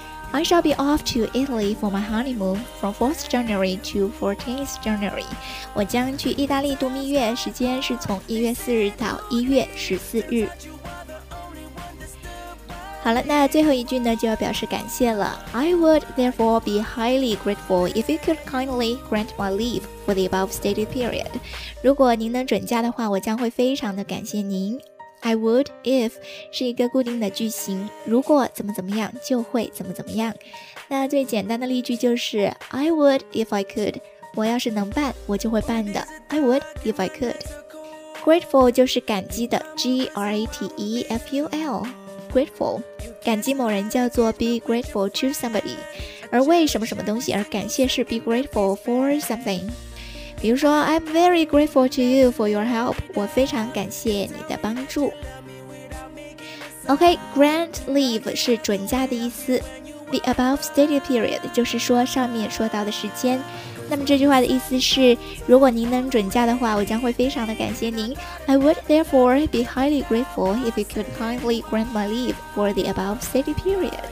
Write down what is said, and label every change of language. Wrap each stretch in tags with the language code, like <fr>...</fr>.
<en>I shall be off to Italy for my honeymoon from 4th January to 14th January.</en> <zh>我将去意大利度蜜月，时间是从1月4日到1月14日。好了，那最后一句呢，就要表示感谢了。</zh> <en>I would therefore be highly grateful if you could kindly grant my leave for the above stated period.</en> <zh>如果您能准假的话，我将会非常的感谢您。</zh> <en>I would if</en> <zh>是一个固定的句型，如果怎么怎么样就会怎么怎么样。那最简单的例句就是</zh> <en>I would if I could,</en> <zh>我要是能办我就会办的。</zh> <en>I would if I could.</en> <zh>Grateful 就是感激的 G-R-A-T-E-F-U-L, grateful, 感激某人叫做</zh> <en>be grateful to somebody,</en> <zh>而为什么什么东西而感谢是</zh> <en>be grateful for something。比如说 I'm very grateful to you for your help,</en> <zh>我非常感谢你的帮助。 OK, grant leave 是准假的意思。</zh> <en>The above stated period</en> <zh>就是说上面说到的时间。那么这句话的意思是，如果您能准假的话，我将会非常的感谢您。</zh> <en>I would therefore be highly grateful if you could kindly grant my leave for the above stated period.</en>